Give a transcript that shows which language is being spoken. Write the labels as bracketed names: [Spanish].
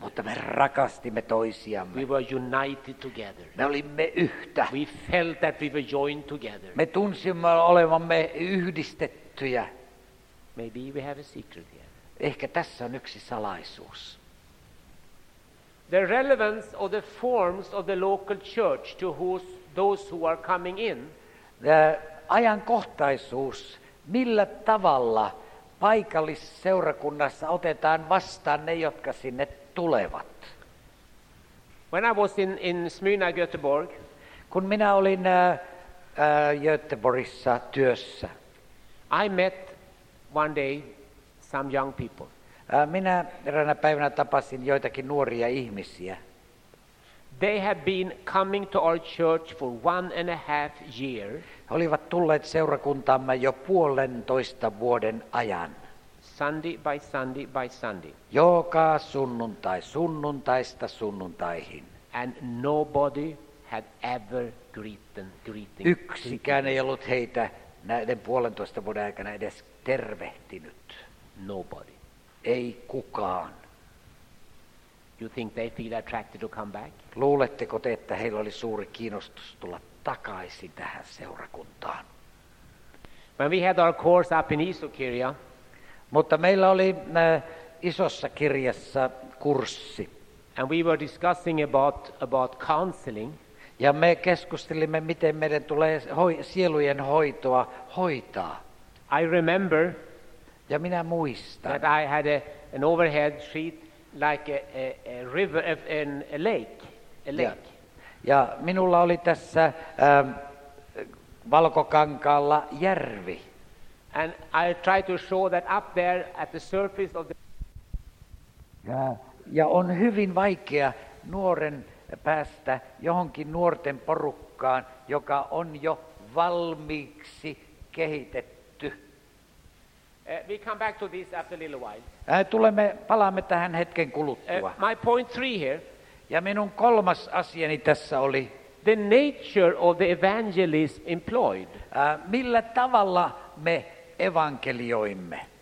[Finnish] Mutta me rakastimme toisiamme. [English] We were united together. [Finnish] Me olimme yhtä. [English] We felt that we were joined together. [Finnish] Me tunsimme olevamme yhdistettyjä. [English] Maybe we have a secret here. [Finnish] Ehkä tässä on yksi salaisuus. [English] The relevance of the forms of the local church to whose those who are coming in. [Finnish] The ajankohtaisuus, millä tavalla paikallisseurakunnassa otetaan vastaan ne, jotka sinne tulevat. [English] When I was in Smyrna, Göteborg, [Finnish] kun minä olin Göteborgissa työssä, [English] I met one day some young people. [Finnish] Minä eräänä päivänä tapasin joitakin nuoria ihmisiä. [English] They have been coming to our church for 1.5 years. [Finnish] He olivat tulleet seurakuntaamme jo 1.5 vuoden ajan. [English] Sunday by Sunday by Sunday. [Finnish] Joka sunnuntai, sunnuntaista sunnuntaihin. [English] And nobody had ever greeted. [Finnish] Yksikään ei ollut heitä näiden 1.5 vuoden aikana edes tervehtinyt. [English] Nobody. [Finnish] Ei kukaan. [English] You think they feel attracted to come back? [Finnish] Luuletteko te, että heillä oli suuri kiinnostus tulla takaisin tähän seurakuntaan? [English] When we had our course up in Isokirja, [Finnish] mutta meillä oli Isossa kirjassa kurssi. [English] And we were discussing about counseling. [Finnish] Ja me keskustelimme, miten meidän tulee sielujen hoitoa hoitaa. [English] I remember. [Finnish] Ja minä muistan, [English] that I had an overhead sheet like a river, a lake. A lake. [Finnish] Ja minulla oli tässä valkokankaalla järvi. [English] And I try to show that up there at the surface of the. [Finnish] Ja on hyvin vaikea nuoren päästä johonkin nuorten porukkaan, joka on jo valmiiksi kehitetty. [English] We come back to this after a little while. [Finnish] Palaamme tähän hetken kuluttua. [English] My point three here. [Finnish] Ja minun kolmas asiani tässä oli. [English] The nature of the evangelist employed. [Finnish] Millä tavalla me evankelioimme?